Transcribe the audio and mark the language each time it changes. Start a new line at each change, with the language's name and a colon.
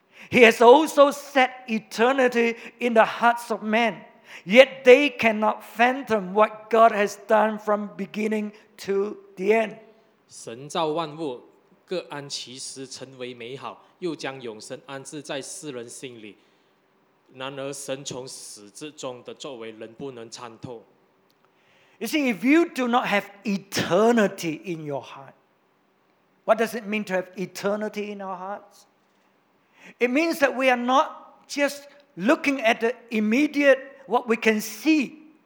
English: He has also set eternity in the hearts of men, yet they cannot fathom what God has done from beginning to the end.
Chinese: 神造万物, 各按其时成为美好, 又将永生安置在世人心里。然而，神从始至终的作为，人不能参透。
English: You see, if you do not have eternity in your heart, what does it mean to have eternity in our hearts? It means that we are not just looking at the immediate, what we can see.